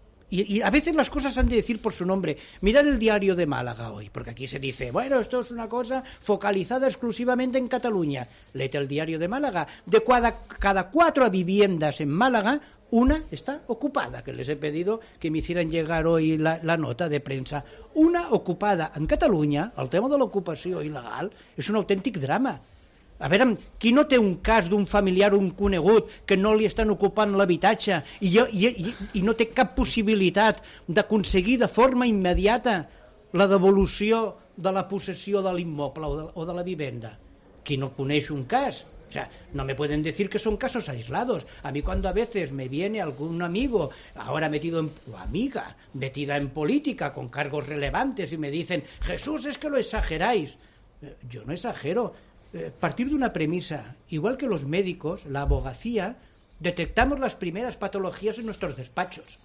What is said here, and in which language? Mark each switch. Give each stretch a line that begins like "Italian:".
Spanish: Y a veces las cosas han de decir por su nombre. Mirad el diario de Málaga hoy, porque aquí se dice, bueno, esto es una cosa focalizada exclusivamente en Cataluña. Léete el diario de Málaga. De cada cuatro viviendas en Málaga, una está ocupada, que les he pedido que me hicieran llegar hoy la nota de prensa. Una ocupada en Cataluña,
Catalan: el tema de l'ocupació il·legal, és un autèntic drama. A veure, qui no té un cas d'un familiar o un conegut que no li estan ocupant l'habitatge i no té cap possibilitat d'aconseguir de forma immediata la devolució de la possessió de l'immoble o de la vivenda? Qui no coneix un cas?
Spanish: O sea, no me pueden decir que son casos aislados. A mí cuando a veces me viene algún amigo, ahora metido en, o amiga, metida en política, con cargos relevantes, y me dicen, Jesús, es que lo exageráis. Yo no exagero. Partir de una premisa, igual que los médicos, la abogacía, detectamos las primeras patologías en nuestros despachos.